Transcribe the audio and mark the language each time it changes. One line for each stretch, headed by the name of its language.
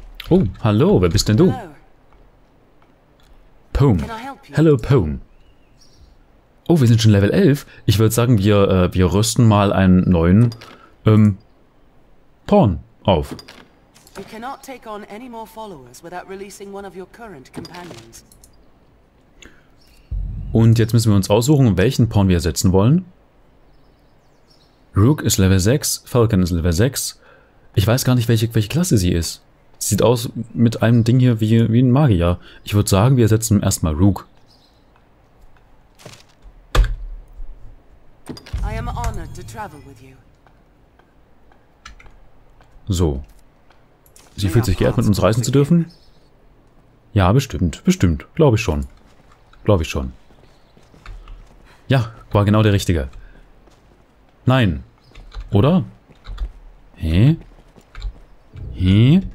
German: Oh, hallo, wer bist denn du? Poem.
English: Hello, Poem.
German: Oh, wir sind schon Level 11. Ich würde sagen, wir rüsten mal einen neuen Porn auf.
English: You cannot take on any more followers without releasing one of your current companions.
German: Und jetzt müssen wir uns aussuchen, welchen Porn wir ersetzen wollen. Rook ist Level 6, Falcon ist Level 6. Ich weiß gar nicht, welche Klasse sie ist. Sieht aus mit einem Ding hier wie ein Magier. Ich würde sagen, wir ersetzen erstmal Rook.
English: I am honored to travel with you.
German: So. Sie fühlt sich geehrt, mit uns reisen zu dürfen? Ja, bestimmt. Bestimmt. Glaube ich schon. Ja, war genau der Richtige. Nein. Oder? Hä? Hä?